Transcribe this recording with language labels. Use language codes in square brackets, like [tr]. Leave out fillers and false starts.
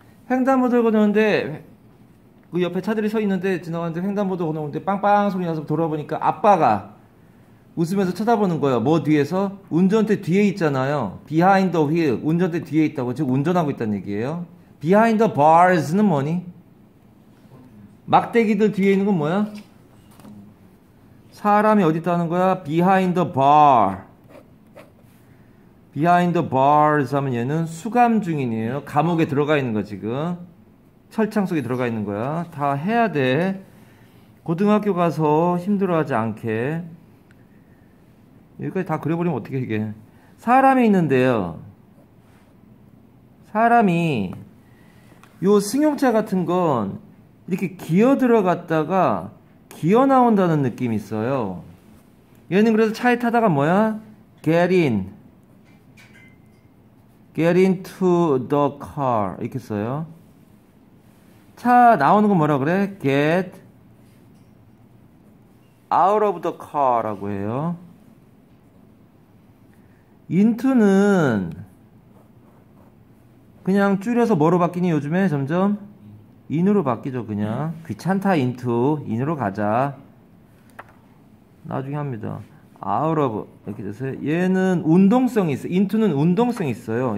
[ko] 횡단보도를 건너는데 그 옆에 차들이 서 있는데 지나가는데 횡단보도 건너는데 빵빵 소리 나서 돌아보니까 아빠가 웃으면서 쳐다보는 거예요. 뭐 뒤에서? 운전대 뒤에 있잖아요. [en] behind the wheel. [ko] 운전대 뒤에 있다고. 지금 운전하고 있다는 얘기예요. [en] behind the bars는 [ko] 뭐니? 막대기들 뒤에 있는 건 뭐야? 사람이 어디 있다는 거야? [en] behind the bar. behind the bars [ko] 하면 얘는 수감 중이네요. 감옥에 들어가 있는 거 지금. 철창 속에 들어가 있는 거야. 다 해야 돼. 고등학교 가서 힘들어하지 않게. 여기까지 다 그려버리면 어떻게 이게. 사람이 있는데요. 사람이 요 승용차 같은 건 이렇게 기어 들어갔다가 기어 나온다는 느낌이 있어요. 얘는 그래서 차에 타다가 뭐야? [en] Get in. Get into the car. [ko] 이렇게 써요. 차 나오는 건 뭐라 그래? [en] Get out of the car라고 [ko] 해요. into는 그냥 줄여서 뭐로 바뀌니 요즘에 점점? in으로 바뀌죠 그냥. 귀찮다 into. in으로 가자. 나중에 합니다. out of 이렇게 되세요. 얘는 운동성이 있어요. into는 운동성이 있어요.